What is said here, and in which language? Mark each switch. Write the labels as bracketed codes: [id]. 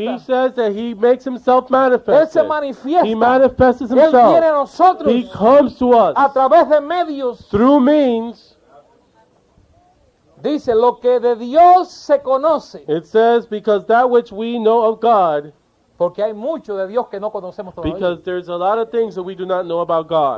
[en] He says that he makes himself manifest. [es] Él se manifiesta. [en] He manifests himself. [es] Él viene a nosotros. [en] He comes to us. [es] A través de medios. [en] Through means. [es] Dice, lo que de Dios se conoce. [en] It says, because that which we know of God. [es] Porque hay mucho de Dios que no conocemos todavía. [en] Because there's a lot of things that we do not know about God.